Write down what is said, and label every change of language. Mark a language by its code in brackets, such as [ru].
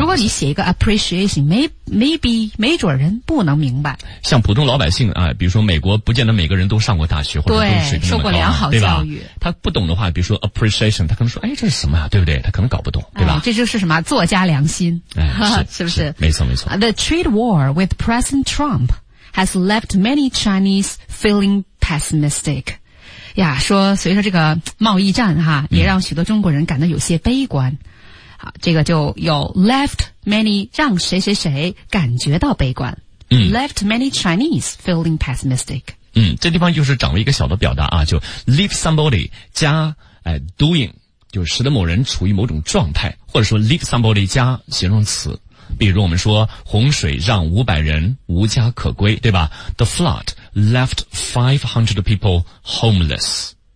[zh] 如果你写一个 appreciation， maybe 没准人不能明白。像普通老百姓啊、比如说美国，不见得每个人都上过大学或者都是水平受过良好教育，他不懂的话，比如说 appreciation， 他可能说，哎，这是什么呀、啊？对不对？他可能搞不懂，对吧？哎、这就是什么作家良心，哎、是不是, 是？没错，没错。 [en] The trade war with President Trump has left many Chinese feeling pessimistic。 [zh] 呀，说随着这个贸易战哈，也让许多中国人感到有些悲观。嗯这个就有 left many 让谁谁谁感觉到悲观、嗯、 [en] left many Chinese feeling pessimistic [zh] 嗯，这地方就是掌握一个小的表达啊，就 leave somebody 加、doing 就使得某人处于某种状态或者说 leave somebody 加形容词比如我们说洪水让500人无家可归对吧 [en] the flood left 500 people homeless